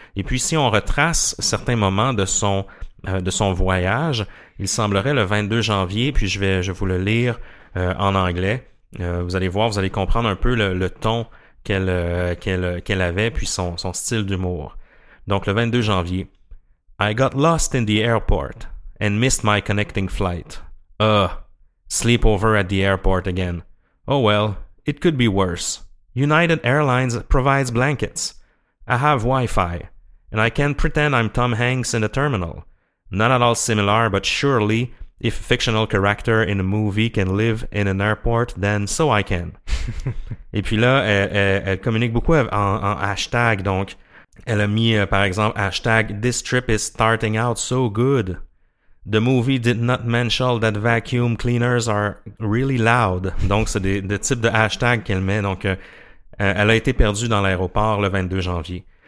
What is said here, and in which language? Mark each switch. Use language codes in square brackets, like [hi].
[fr] Et puis si on retrace certains moments de son voyage, il semblerait le 22 janvier, puis je vais vous le lire en anglais. Vous allez voir, vous allez comprendre un peu le ton qu'elle avait, puis son style d'humour. Donc, le 22 janvier. [en] I got lost in the airport and missed my connecting flight. Sleepover at the airport again. Oh well, it could be worse. United Airlines provides blankets. I have Wi-Fi. And I can pretend I'm Tom Hanks in the terminal. Not at all similar, but surely, if a fictional character in a movie can live in an airport, then so I can. [fr] Et puis là, elle communique beaucoup en hashtag. Donc, elle a mis, par exemple, hashtag [en] This trip is starting out so good. The movie did not mention that vacuum cleaners are really loud. [fr] Donc, c'est des types de hashtags qu'elle met. Donc, elle a été perdue dans l'aéroport le 22 janvier.